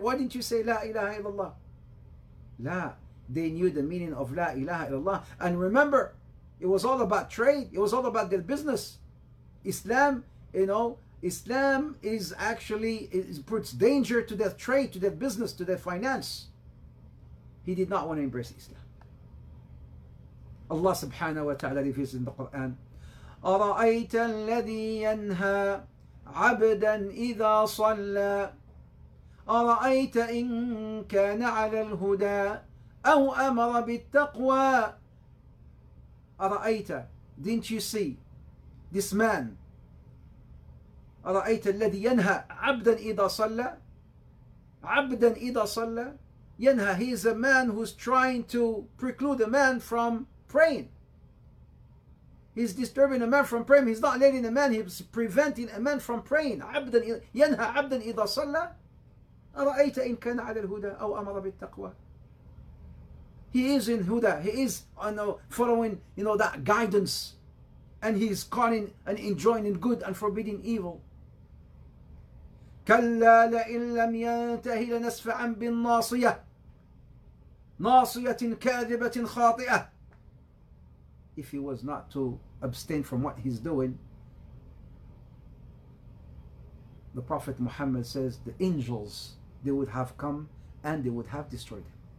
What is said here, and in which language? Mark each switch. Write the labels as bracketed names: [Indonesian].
[English] Why didn't you say La ilaha illallah? La, they knew the meaning of La ilaha illallah. And remember, it was all about trade. It was all about their business. Islam, you know, Islam is actually, it puts danger to their trade, to their business, to their finance. He did not want to embrace Islam. Allah subhanahu wa ta'ala reveals in the Quran, [Arabic] أَرَأَيْتَ الَّذِي يَنْهَى عَبْدًا إِذَا صَلَّى أَرَأَيْتَ إِن كَانَ عَلَى الْهُدَى أَوْ أَمَرَ بِالتَّقْوَى أَرَأَيْتَ, [English] didn't you see this man? [Arabic] أرأيت الذي ينهى عبدا إذا صلى عبدا إذا صلى ينهى, [English] he is a man who's trying to preclude a man from praying. He's disturbing a man from praying. He's not letting a man, he's preventing a man from praying. [Arabic] عبدا ينهى عبدا إذا صلى أرأيت إن كان على الهدى أو أمر بالتقوى. [English] He is in huda. He is, I know, following, you know, that guidance, and he's calling and enjoining good and forbidding evil. [Arabic] كلا لئن لم ينتهي لنسفعا بالناصية ناصية كاذبة خاطئة. [English] If he was not to abstain from what he's doing, the Prophet Muhammad says the angels, they would have come and they would have destroyed him.